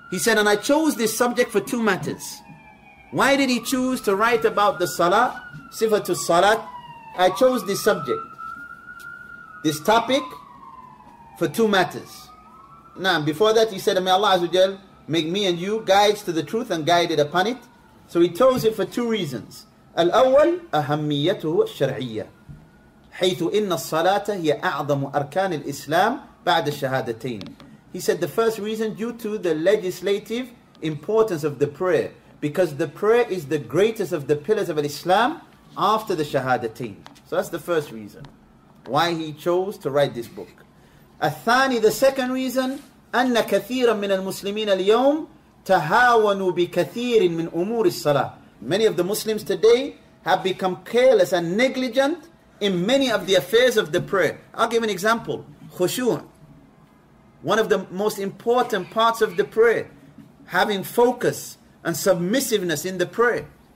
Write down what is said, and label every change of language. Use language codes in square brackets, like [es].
[en] He said, and I chose this subject for two matters. Why did he choose to write about the salah, sifatu salat? I chose this subject, this topic, for two matters. Now, before that he said, may Allah Azza wa Jal make me and you guides to the truth and guided upon it. So he chose it for two reasons. [ar] Al-awwal ahammiyatuhu shar'iyya. حيث إن الصلاة هي أعظم أركان الإسلام بعد الشهادتين. [en] He said the first reason, due to the legislative importance of the prayer. Because the prayer is the greatest of the pillars of Islam after the shahadatain. So that's the first reason why he chose to write this book. [ar] الثاني, [en] the second reason, [ar] أن كثيرا من المسلمين اليوم تهاونوا بكثير من أمور الصلاة. [en] Many of the Muslims today have become careless and negligent in many of the affairs of the prayer. I'll give an example. Khushu', one of the most important parts of the prayer, having focus and submissiveness in the prayer.